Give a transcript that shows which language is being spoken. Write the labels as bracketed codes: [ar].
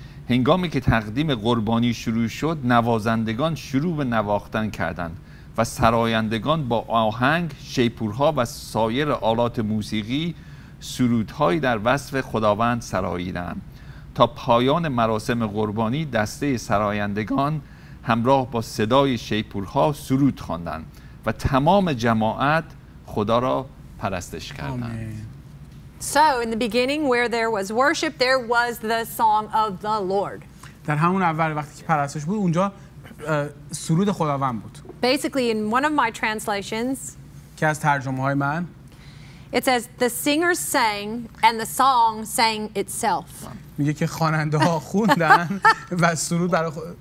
[fa] هنگامی که تقدیم قربانی شروع شد، نوازندگان شروع به نواختن کردند و سرایندگان با آهنگ، شیپورها و سایر آلات موسیقی سرودهایی در وصف خداوند سراییدند. تا پایان مراسم قربانی، دسته سرایندگان همراه با صدای شیپورها سرود خواندند و تمام جماعت خدا را پرستش کردند. [en] So in the beginning where there was worship there was the song of the Lord. [fa] در همون اول وقتی که پرستش بود اونجا سرود خداوند بود. [en] Basically in one of my translations [fa] که از ترجمه های من [en] it says the singer sang and the song sang itself. [fa] میگه که خواننده ها خوندن و سرود برای